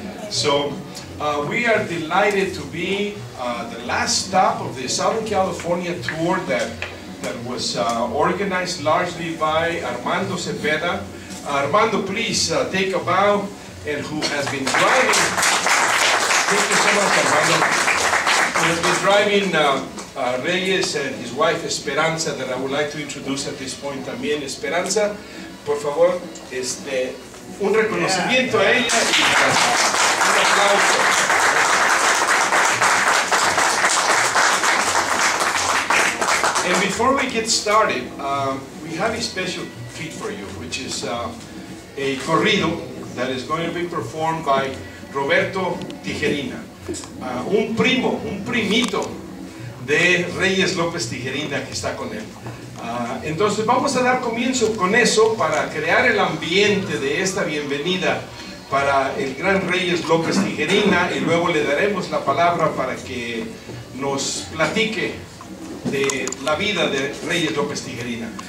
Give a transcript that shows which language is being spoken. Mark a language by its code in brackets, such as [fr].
[en] So we are delighted to be the last stop of the Southern California tour that was organized largely by Armando Cepeda. Armando, please take a bow, and who has been driving. Thank you so much, Armando. We have been driving Reyes and his wife Esperanza, that I would like to introduce at this point [es] también. Esperanza, por favor, un reconocimiento a ella y un aplauso. [en] And before we get started, we have a special treat for you, which is a corrido that is going to be performed by Roberto Tijerina. [es] Un primito de Reyes López Tijerina que está con él. Entonces vamos a dar comienzo con eso para crear el ambiente de esta bienvenida para el gran Reyes López Tijerina, y luego le daremos la palabra para que nos platique de la vida de Reyes López Tijerina.